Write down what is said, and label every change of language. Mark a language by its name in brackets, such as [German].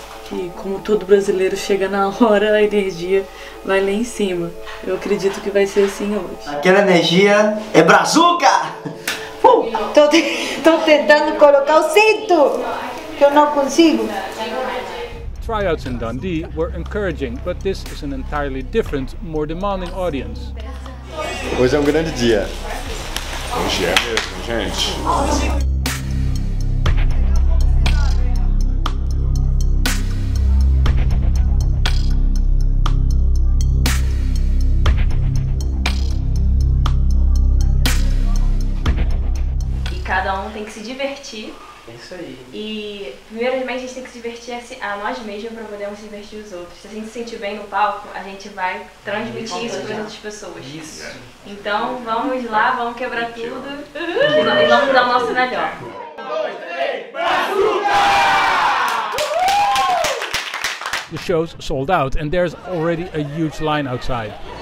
[Portuguese] E como todo brasileiro chega na hora, a energia vai lá em cima. Eu acredito que vai ser assim hoje. Aquela energia é brazuca! Tô tentando colocar o cinto, que eu não consigo. [English] Tryouts in Dundee were encouraging, but this is an entirely different, more demanding audience. [Portuguese] Hoje é um grande dia. Hoje é mesmo, gente. E cada tem que se divertir. É isso aí. E primeiramente a gente tem que se divertir a nós mesmos para podermos se divertir os outros. Se a gente se sentir bem no palco, a gente vai transmitir isso para as outras pessoas. Isso. Então vamos lá, vamos quebrar tudo e vamos dar o nosso melhor. 1, 2, 3, Brazouka! [English] The show's sold out and there's already a huge line outside.